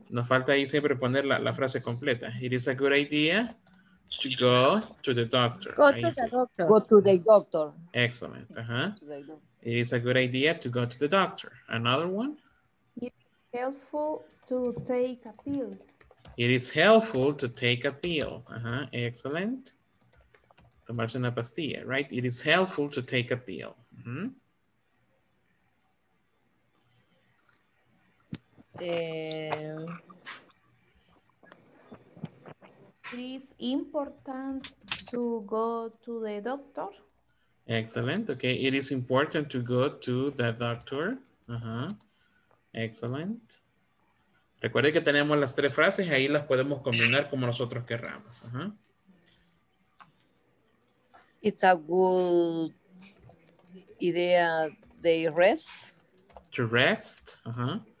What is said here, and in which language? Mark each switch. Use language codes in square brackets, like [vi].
[es] Nos falta ahí siempre poner la frase completa. [en] It is a good idea to go to the doctor. Go to the doctor. Go to the doctor. Excellent. Uh-huh. It is a good idea to go to the doctor. Another one. It is helpful to take a pill. It is helpful to take a pill. Uh-huh. Excellent. [es] Tomarse una pastilla, [en] right? It is helpful to take a pill. Mm-hmm. It is important to go to the doctor. Excellent. Okay. It is important to go to the doctor. Uh-huh. Excellent. [es] Recuerde que tenemos las tres frases y ahí las podemos combinar como nosotros querramos. Uh-huh. [en] It's a good idea de rest. To rest. Uh-huh.